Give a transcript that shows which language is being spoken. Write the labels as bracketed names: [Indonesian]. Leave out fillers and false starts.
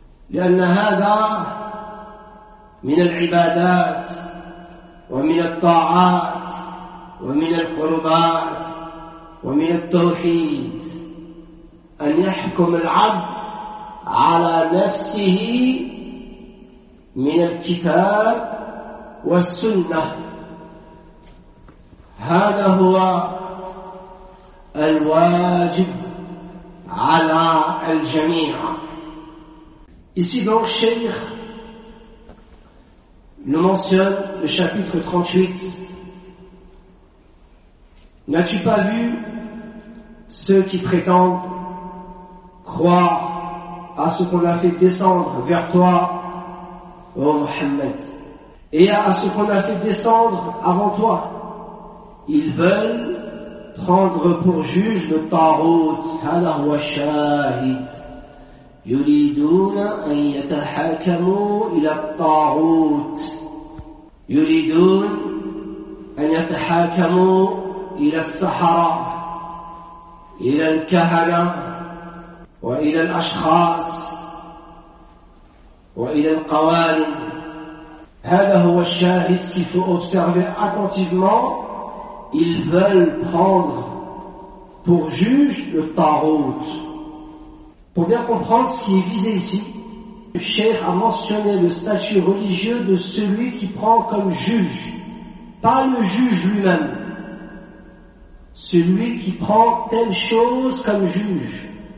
[Arabic] لأن هذا من العبادات ومن الطاعات ومن القربات ومن التوحيد أن يحكم العبد على نفسه من الكتاب والسنة. هذا هو الواجب على الجميع. [French] Ici donc Cheikh le mentionne le chapitre 38. N'as-tu pas vu ceux qui prétendent croire à ce qu'on a fait descendre vers toi, ô Mohammed, et à ce qu'on a fait descendre avant toi? Ils veulent prendre pour juge le Tarout, hala wa shahid. [Arabic] يريدون أن يتحاكموا إلى الطاغوت. يريدون أن يتحاكموا إلى السحرة، إلى الكهنة، وإلى الأشخاص، وإلى القوانين. هذا هو الشاهد. [French] Qu'il faut observer attentivement. Ils veulent prendre pour juge le Tarout. Pour bien comprendre ce qui est visé ici, le Cheikh a mentionné le statut religieux de celui qui prend comme juge, pas le juge lui-même, celui qui prend telle chose comme juge.